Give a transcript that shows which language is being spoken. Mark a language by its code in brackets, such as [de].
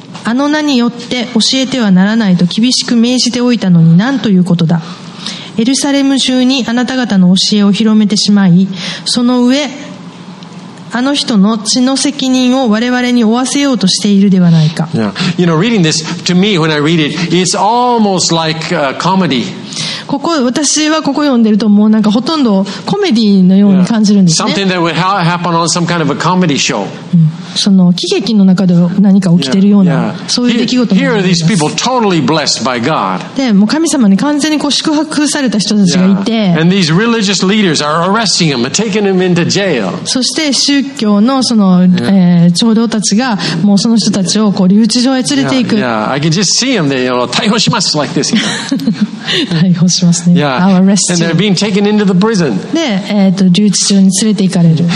[ja] あの名によって教えてはならないと厳しく命じておいたのに、何ということだ。エルサレム中にあなた方の教えを広めてしまい、その上あの人の血の責任を我々に負わせようとしているではないか。 [en] Yeah. You know, reading this to me when I read it, it's almost like a comedy. [ja] ここ私はここ読んでるともうなんかほとんどコメディのように感じるんですね。 [en] Yeah. Something that would happen on some kind of a comedy show.、 [ja] うん、その喜劇の中で何か起きてるような、そういう出来事もあります。 [en] Here are these people totally blessed by God. [ja] で、もう神様に完全にこう祝福された人たちがいて、 [en] And these religious leaders are arresting him, taking him into jail. [ja] そして宗教のその、長老たちがもうその人たちをこう留置場へ連れていく。 [en] Yeah, I can just see them. They're, you know, [ja] 逮捕します [en] like this. [ja] 逮捕しますね。 [en] Yeah, I'll arrest you. And they're being taken into the prison. [ja] で、留置場に連れて行かれる。